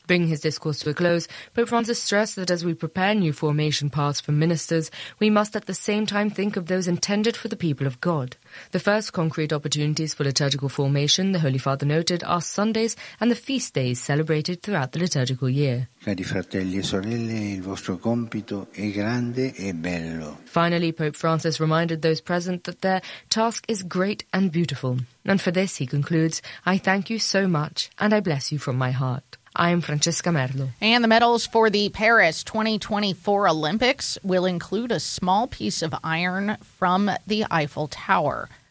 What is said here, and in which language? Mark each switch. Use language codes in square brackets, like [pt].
[en] Bringing his discourse to a close, Pope Francis stressed that as we prepare new formation paths for ministers, we must at the same time think of those intended for the people of God. The first concrete opportunities for liturgical formation, the Holy Father noted, are Sundays and the feast days celebrated throughout the liturgical year. [it] Cari fratelli e sorelle, il vostro compito è grande e bello. [en] Finally, Pope Francis reminded those present that their task is great and beautiful. And for this, he concludes, I thank you so much and I bless you from my heart. I am Francesca Merlo. And the medals for the Paris 2024 Olympics will include a small piece of iron from the Eiffel Tower.